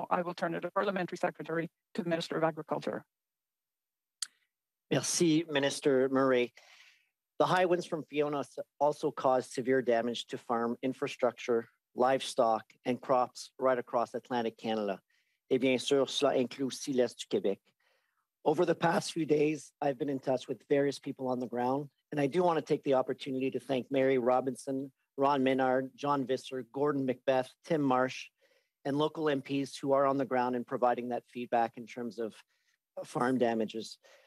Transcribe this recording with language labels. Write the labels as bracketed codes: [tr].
[en] I will turn it to Parliamentary Secretary to the Minister of Agriculture. [fr] Merci, Minister Murray. [en] The high winds from Fiona also caused severe damage to farm infrastructure, livestock and crops right across Atlantic Canada. [fr] Et bien sûr, cela inclut aussi l'Est du Québec. [en] Over the past few days, I've been in touch with various people on the ground, and I do want to take the opportunity to thank Mary Robinson, Ron Minard, John Visser, Gordon Macbeth, Tim Marsh, and local MPs who are on the ground and providing that feedback in terms of farm damages.